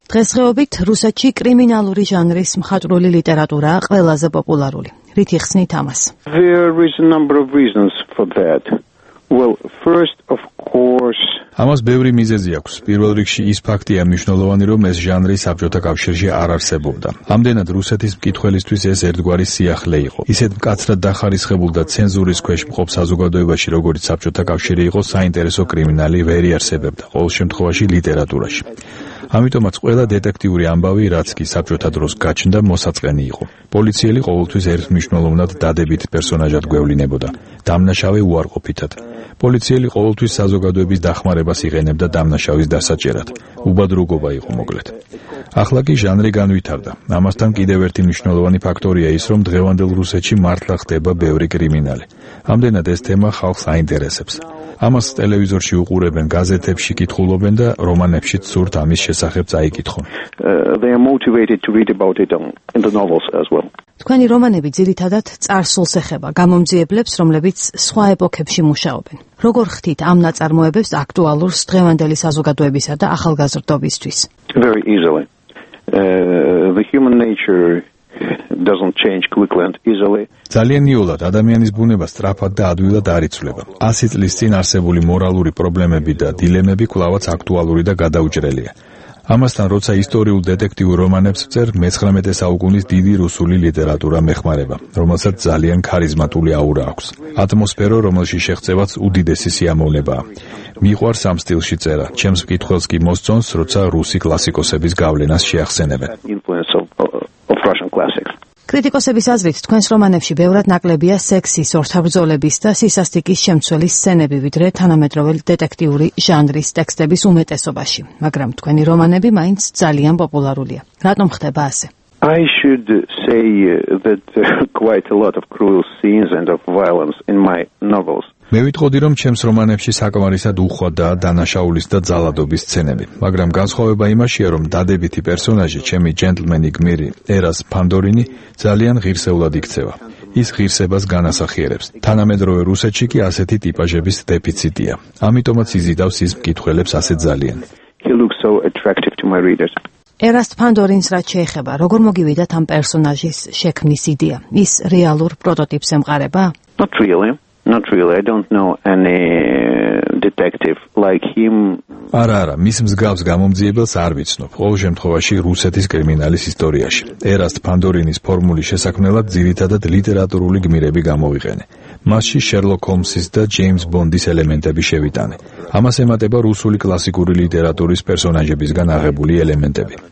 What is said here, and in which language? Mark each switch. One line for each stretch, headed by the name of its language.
Georgian: დღესდღეობით რუსეთში კრიმინალური ჟანრის მხატვრული ლიტერატურა ყველაზე პოპულარული. რითი ხსნით ამას?
English: There is a number of reasons for that. Well, first of course.
Georgian: ამას ბევრი მიზეზი აქვს. პირველ რიგში ის ფაქტია მნიშვნელოვანი, რომ ეს ჟანრი საბჭოთა კავშირში არ არსებობდა. ამდენად რუსეთის მკითხველისთვის ეს ერთგვარი სიახლე იყო. ისეთ მკაცრად დახარისხებულ და ცენზურის ქვეშ მყოფ საზოგადოებაში, როგორც საბჭოთა კავშირი იყო, საინტერესო კრიმინალი ვერ იარსებებდა, ყოველ შემთხვევაში ლიტერატურაში. ამიტომაც ყველა დეტექტიური ამბავი, რაც კი საბჭოთა დროს გაჩნდა, მოსაწყენი იყო. პოლიციელი ყოველთვის ერთმნიშვნელოვნად დადებით პერსონაჟად გვევლინებოდა, დამნაშავე უარყოფითად. პოლიციელი ყოველთვის საზოგადოების დახმარებას იღენებდა დამნაშავის დასაჭერად. უბადრუგობა იყო მოკლედ. ახლა კი ჟანრი განვითარდა. ამასთან კიდევ ერთი მნიშვნელოვანი ფაქტორია ის, რომ დღევანდელ რუსეთში მართლა ხდება ბევრი კრიმინალი. ამდენად ეს თემა ხალხს აინტერესებს. ამას ტელევიზორში უყურებენ, გაზეთებში კითხულობენ და რომანებში ცურთ ამის შესახებ წაიკითხონ.
English: They are motivated to read about it in the novels as well.
Georgian: თქვენი რომანები ძირითადად წარსულს ეხება გამომძიებლებს, რომლებიც სხვა ეპოქებში მუშაობენ. როგორ ხდით ამ ნაწარმოებებს აქტუალურ დღევანდელი საზოგადოებისა და ახალგაზრდობისთვის?
English: Very easily. The human nature doesn't change quickly and easily.
Georgian: ძალიან ნიოლად ადამიანის ბუნება სწრაფად და ადვილად არ იცვლება. 100 წლის წინ არსებული მორალური პრობლემები და დილემები კვლავაც აქტუალური და გადაუჭრელია. ამასთან, როცა ისტორიულ დეტექტიურ რომანებს წერ, მე-19 საუკუნის დიდი რუსული ლიტერატურა მეხმარება, რომელსაც ძალიან ქარიზმატული აურა აქვს. ატმოსფერო, რომელშიც შეხვდებაც უდიდესი სიამოვნებაა. მიყვარს ამ სტილში წერა. ჩემს მკითხველს კი მოსწონს, როცა რუსი კლასიკოსების გავლენას შეახსენებენ. კრიტიკოსების აზრით, თქვენს რომანებში ბევრად ნაკლებია სექსის, ორთაბრძოლების და სისასტიკის შემცველი სცენები, ვიდრე თანამედროვე დეტექტიური ჟანრის ტექსტების უმეტესობაში, მაგრამ თქვენი რომანები მაინც ძალიან პოპულარულია. რატომ ხდება ასე?
English: I should say that quite a lot of cruel scenes and of violence in my novels.
Georgian: მე ვიტყოდი, რომ ჩემს რომანებში საკმარისად უხვადაა დანაშაულის და ძალადობის სცენები, მაგრამ განსხვავება იმაშია, რომ დადებითი პერსონაჟი, ჩემი ჯენტლმენი გმირი ერას ფანდორინი, ძალიან ღირსეულად იქცევა. ის ღირსებას განასახიერებს. თანამედროვე რუსეთში კი ასეთი ტიპაჟების დეფიციტია. ამიტომაც იზიდავს ის მკითხველებს ასე ძალიან. ერასტ ფანდორინს რაც შეეხება, როგორ მოგივიდათ ამ პერსონაჟის შექმნის იდეა? ის რეალურ პროტოტიპს ემყარება?
English: Not really. I don't know any detective like him.
Georgian: Ара, მის მსგავს გამომძიებელს არ ვიცნობ. ყოველ შემთხვევაში რუსეთის კრიმინალის ისტორიაში ერასტ ფანდორინის ფორმულის შესაქმნელად ძირითადად ლიტერატურული გმირები გამოიყენენ. მასში შერლოკ ჰომსის და ჯეიმს ბონდის ელემენტები შევიტანე. ამას ემატება რუსული კლასიკური ლიტერატურის პერსონაჟებისგან აღებული ელემენტები.